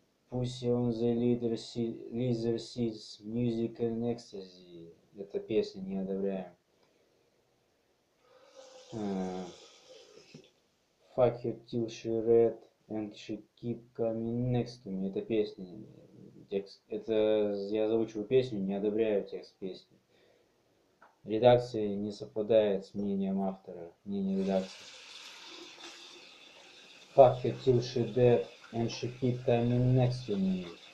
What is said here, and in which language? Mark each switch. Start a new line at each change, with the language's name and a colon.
English: Pussy on the leather seats, music and ecstasy.
Russian: Это песня, не одобряем.
English: Fuck her till she read and she keep coming next to me.
Russian: Это песня. Текст. Это я заучиваю песню, не одобряю текст песни. Редакция не совпадает с мнением автора. Мнение редакции.
English: Fuck her till she dead and she keep coming next to me.